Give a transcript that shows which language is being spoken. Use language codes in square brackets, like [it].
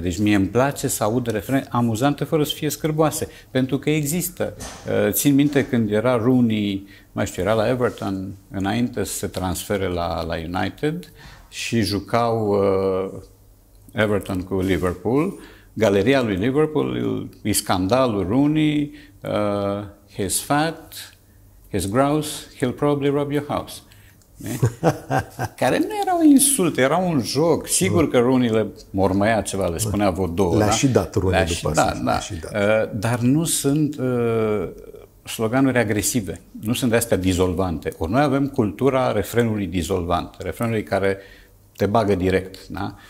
[ro] Deci mie îmi place să aud refrene amuzante fără să fie scârboase. Pentru că există. Țin minte când era Rooney... Mai știu, era la Everton, înainte să se transfere la United, și jucau Everton cu Liverpool. Galeria lui Liverpool, e scandalul Rooney, [en] he's fat, he's gross, he'll probably rob your house. [ro] Care nu era o insultă, era un joc. Sigur că Rooney le mormăia ceva, le spunea vă două. Le-a și dat Rooney după asta. Dar nu sunt... sloganuri agresive, nu sunt de astea dizolvante. Ori noi avem cultura refrenului dizolvant, refrenului care te bagă direct, da?